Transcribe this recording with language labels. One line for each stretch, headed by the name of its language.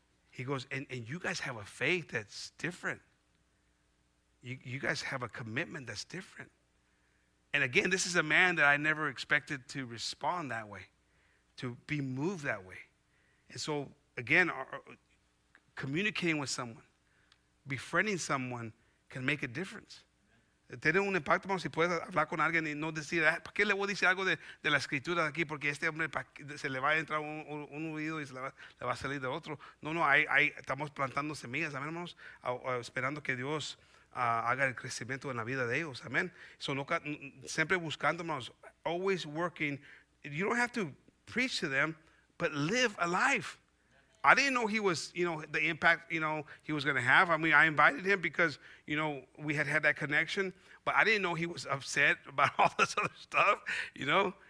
English: He goes, and you guys have a faith that's different. You guys have a commitment that's different. And again, this is a man that I never expected to respond that way, to be moved that way. And so, again, communicating with someone, befriending someone can make a difference.
Spanish: Tiene un impacto, si puedes hablar con alguien y no decir, ¿para qué le voy a decir algo de la escritura de aquí? Porque este hombre se le va a entrar un oído y se le va a salir de otro. No, ahí estamos plantando semillas, amén, hermanos, esperando que Dios haga el crecimiento en la vida de ellos, amén. Siempre buscando, hermanos,
English: always working. You don't have to preach to them, but live a life. I didn't know he was, you know, the impact, you know, he was going to have. I mean, I invited him because, you know, we had that connection. But I didn't know he was upset about all this other stuff, you know.